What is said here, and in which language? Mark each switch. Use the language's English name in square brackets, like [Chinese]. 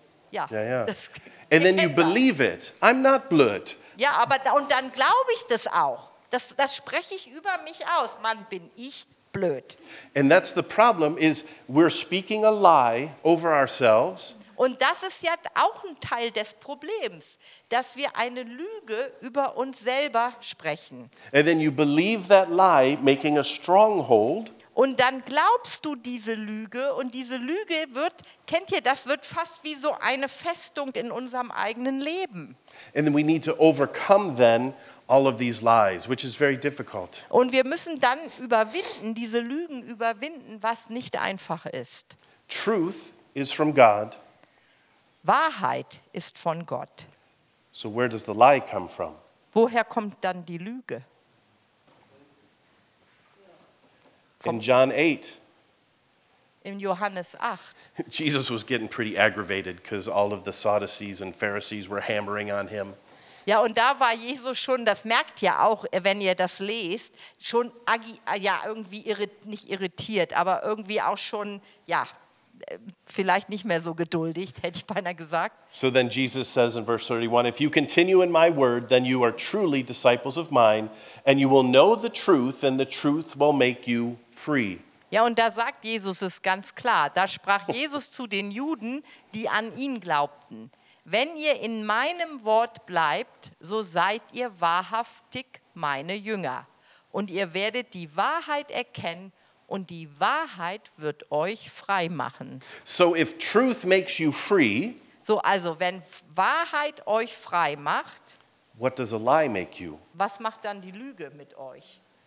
[English] Ja, ja. Ja. And then you believe it. I'm not blöd. [German] Ja, aber da, und dann glaube ich das auch. Das spreche ich über mich aus. Mann, bin ich blöd. Blöd. [English] And that's the problem, is we're speaking a lie over ourselves. [German] Und das ist ja auch ein Teil des Problems, dass wir eine Lüge über uns selber sprechen. [English] And then you believe that lie, making a stronghold. [German] Und dann glaubst du diese Lüge, und diese Lüge wird, kennt ihr, das wird fast wie so eine Festung in unserem eigenen Leben. [English] And then we need to overcome then all of these lies, which is very difficult. [German] Und wir müssen dann überwinden, diese Lügen überwinden, was nicht einfach ist. [English] Truth is from God. [German] Wahrheit ist von Gott. [English] So where does the lie come from? [German] Woher kommt dann die Lüge? [English] In John 8. [German] In Johannes 8. [English] Jesus was getting pretty aggravated because all of the Sadducees and Pharisees were hammering on him. [German] Ja, und da war Jesus schon, das merkt ihr auch, wenn ihr das lest, schon ja, irgendwie nicht irritiert, aber irgendwie auch schon, ja, vielleicht nicht mehr so geduldig, hätte ich beinahe gesagt. [English] So then Jesus says in verse 31, if you continue in my word, then you are truly disciples of mine, and you will know the truth, and the truth will make you free. [German] Ja, und da sagt Jesus es ganz klar, da sprach Jesus zu den Juden, die an ihn glaubten. Wenn ihr in meinem Wort bleibt, so seid ihr wahrhaftig meine Jünger. Und ihr werdet die Wahrheit erkennen, und die Wahrheit wird euch frei machen. [English] So if truth makes you free, [German] so also wenn Wahrheit euch frei macht, [English] what does a lie make you? [German] Was macht dann die Lüge mit euch?